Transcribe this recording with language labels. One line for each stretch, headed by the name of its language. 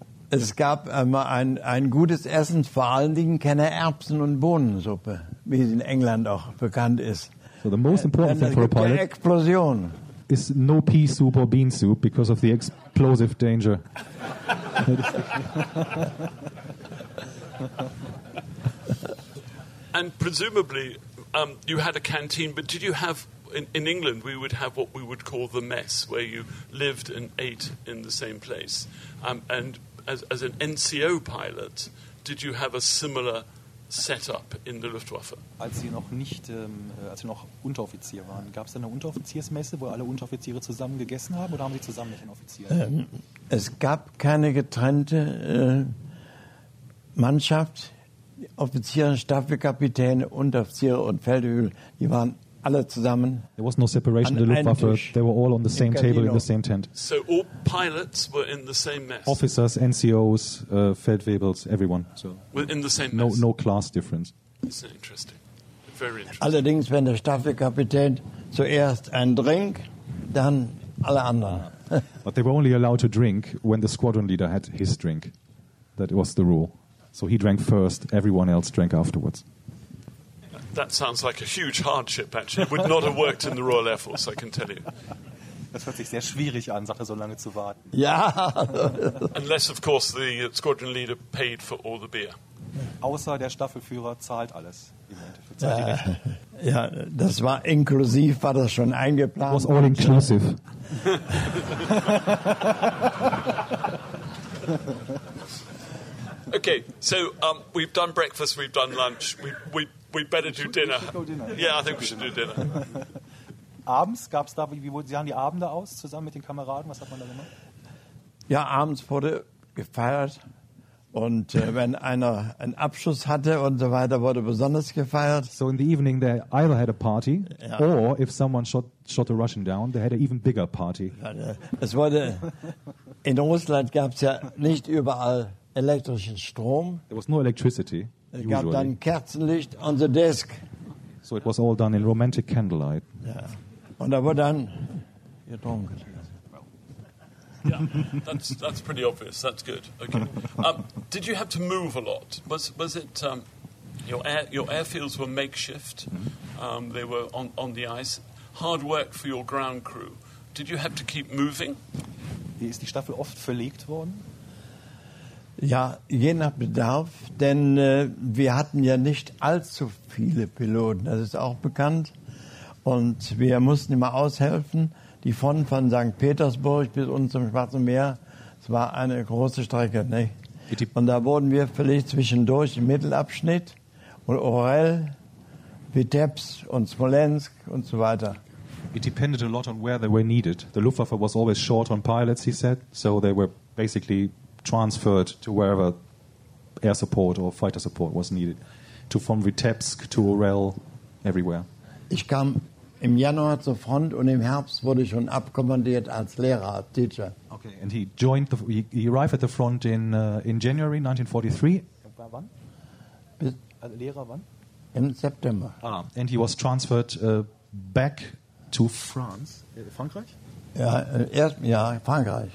German: Es gab einmal ein gutes Essen, vor allen Dingen keine Erbsen- und Bohnensuppe, wie es in England auch bekannt ist.
English: So the most important thing for a pilot explosion. Is no pea soup or bean soup because of the explosive danger. And presumably you had a canteen, but did you have, in England we would have what we would call the mess, where you lived and ate in the same place. And as an NCO pilot, did you have a similar setup in the Luftwaffe?
German: Als Sie noch nicht, als Sie noch Unteroffizier waren, gab es eine Unteroffiziersmesse, wo alle Unteroffiziere zusammen gegessen haben, oder haben Sie zusammen mit den Offizieren? Es gab keine getrennte Mannschaft, Offiziere, Staffelkapitäne, Unteroffiziere und Feldwebel, die waren alle zusammen.
English: There was no separation in the Luftwaffe. They were all on the same table in the same tent. So all pilots were in the same mess. Officers, NCOs, Feldwebels, everyone. So were in the same mess. No class difference. That's interesting. Very interesting.
German: Allerdings, wenn der Staffelkapitän zuerst ein Drink, dann alle anderen.
English: But they were only allowed to drink when the squadron leader had his drink. That was the rule. So he drank first, everyone else drank afterwards. That sounds like a huge hardship, actually. It would not have worked in the Royal Air Force, I can tell you.
German: Das hört sich sehr schwierig an, Sache so lange zu warten. Ja.
English: Unless, of course, the squadron leader paid for all the beer.
German: Außer der Staffelführer zahlt alles. Ja, das war inklusiv, war das schon eingeplant.
English: It was all inclusive. Okay, so we've done breakfast, we've done lunch, we better do dinner. Yeah, I think we should do dinner.
German: Abends gab es da, wie sahen die Abende aus, zusammen mit den Kameraden, was hat man da gemacht? Ja, abends wurde gefeiert und wenn einer einen Abschuss hatte und so weiter, wurde besonders gefeiert.
English: So in the evening they either had a party, ja. Or if someone shot a Russian down, they had an even bigger party.
German: Es wurde, in Russland gab es ja nicht überall elektrischen Strom.
English: There was no electricity.
German: Es gab dann Kerzenlicht
English: on the desk. So it was all done in romantic candlelight. Yeah.
German: Und da wurde dann getrunken.
English: Yeah, that's pretty obvious. That's good. Okay. Did you have to move a lot? Was it your airfields were makeshift? They were on the ice. Hard work for your ground crew. Did you have to keep moving?
German: Ist die Staffel oft verlegt worden? Ja, je nach Bedarf, denn wir hatten ja nicht allzu viele Piloten, das ist auch bekannt. Und wir mussten immer aushelfen, die von St. Petersburg bis unten zum Schwarzen Meer, es war eine große Strecke. Ne? Und da wurden wir vielleicht zwischendurch im Mittelabschnitt und Orel, Vitebsk und Smolensk und so weiter.
English: It depended a lot on where they were needed. The Luftwaffe was always short on pilots, he said, so they were basically transferred to wherever air support or fighter support was needed, to from Vitebsk to Orel, everywhere.
German: Ich kam im Januar zur Front und im Herbst wurde ich schon abkommandiert als Lehrer, als Teacher.
English: Okay, and he arrived at the front in January 1943.
German: Wann? Lehrer wann? Im September.
English: Ah, and he was transferred back to France.
German: Frankreich? Frankreich.